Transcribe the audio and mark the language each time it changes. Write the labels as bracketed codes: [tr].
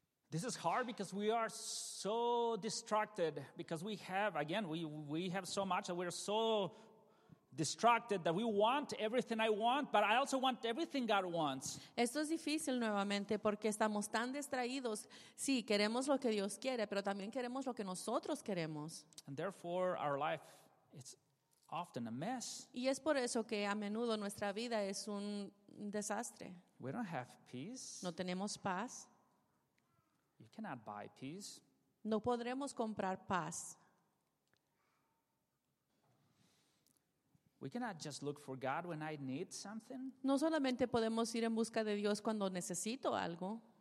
[en] This is hard because we are so distracted because we have, again, we have so much that we're so distracted that we want everything I want, but I also want everything God wants. [es] Esto es difícil nuevamente porque estamos tan distraídos. Sí, queremos lo que Dios quiere, pero también queremos lo que nosotros queremos. [en] And therefore, our life is often a mess. [es] Y es por eso que a menudo nuestra vida es un desastre. [en] We don't have peace. [es] No tenemos paz. [en] You cannot buy peace. [es] No podremos comprar paz. [en] We cannot just look for God when I need something. [es] No solamente podemos ir en busca de Dios cuando necesito algo.